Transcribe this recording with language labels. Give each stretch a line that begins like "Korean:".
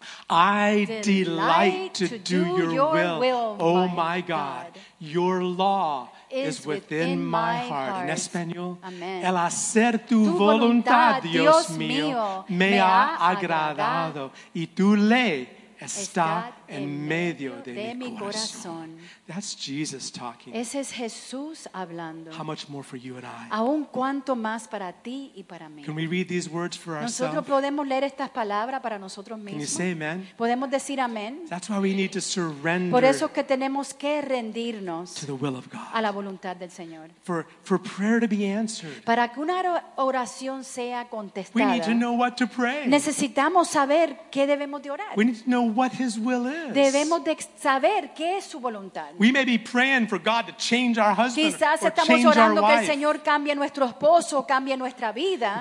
English: I delight to do your will, oh my God. Your law is within my heart.
Spanish: En español,
English: Amen.
Spanish: El hacer tu voluntad, Dios mío, me ha agradado. Y tu ley está en medio de mi corazón.
English: That's Jesus talking.
Spanish: Ese es Jesús hablando.
English: How much more for you and I?
Spanish: Aún cuanto más para ti y para mí.
English: Can we read these words for ourselves?
Spanish: Nosotros podemos leer estas palabras para nosotros mismos.
English: Can you say amen?
Spanish: Podemos decir amén.
English: That's why we need to surrender.
Spanish: Por eso es que tenemos que rendirnos
English: to the will of God.
Spanish: A la voluntad del Señor.
English: For prayer to be answered.
Spanish: Para que una oración sea contestada.
English: We need to know what to pray.
Spanish: Necesitamos saber qué debemos de orar.
English: We need to know what His will is.
Spanish: Debemos de saber qué es su voluntad.
English: We may be praying for God to change our husband
Spanish: Quizás
English: or change our wife.
Spanish: Quizás estamos orando que el Señor cambie nuestro esposo, cambie nuestra vida.